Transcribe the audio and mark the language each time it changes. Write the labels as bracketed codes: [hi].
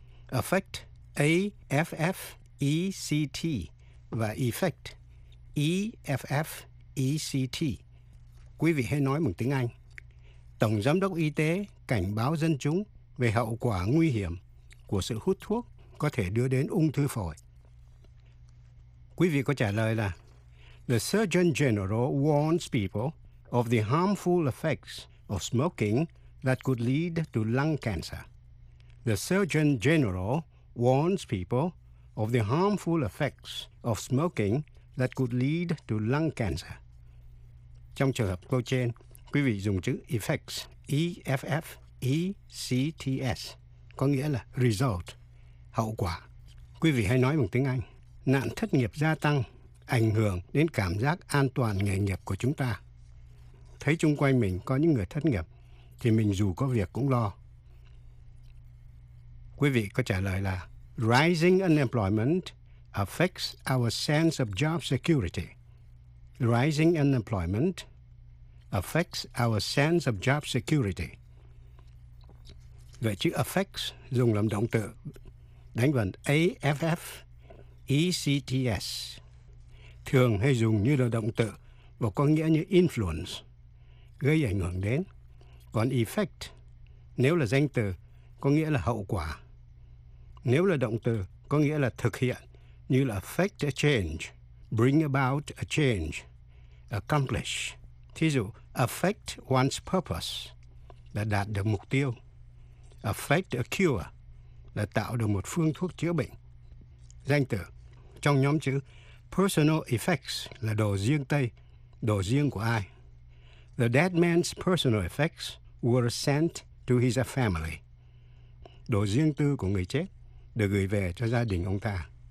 [en] Affect, A-F-F-E-C-T, [vi] và [en] effect, E-F-F-E-C-T. [vi] Quý vị hãy nói bằng tiếng Anh. Tổng giám đốc y tế cảnh báo dân chúng về hậu quả nguy hiểm của sự hút thuốc có thể đưa đến ung thư phổi. Quý vị có trả lời là [en] The Surgeon General warns people of the harmful effects of smoking that could lead to lung cancer. The Surgeon General warns people of the harmful effects of smoking that could lead to lung cancer. [vi] Trong trường hợp câu trên, quý vị dùng chữ effects, E-F-F-E-C-T-S, có nghĩa là result, hậu quả. Quý vị hãy nói bằng tiếng Anh. Nạn thất nghiệp gia tăng ảnh hưởng đến cảm giác an toàn nghề nghiệp của chúng ta. Thấy chung quanh mình có những người thất nghiệp thì mình dù có việc cũng lo. Quý vị có trả lời là [en] Rising unemployment affects our sense of job security. Rising unemployment affects our sense of job security. [vi] Vậy chữ affects dùng làm động từ đánh vần A-F-F-E-C-T-S thường hay dùng như là động từ và có nghĩa như influence, gây ảnh hưởng đến. Còn effect, nếu là danh từ, có nghĩa là hậu quả. Nếu là động từ, có nghĩa là thực hiện, như là [en] effect a change, bring about a change, accomplish. [vi] Thí dụ, [en] affect one's purpose, [vi] là đạt được mục tiêu. [en] Affect a cure, [vi] là tạo được một phương thuốc chữa bệnh. Danh từ, trong nhóm chữ personal effects, là đồ riêng tây, đồ riêng của ai. [en] The dead man's personal effects were sent to his family. [vi] Đồ riêng tư của người chết được gửi về cho gia đình ông ta.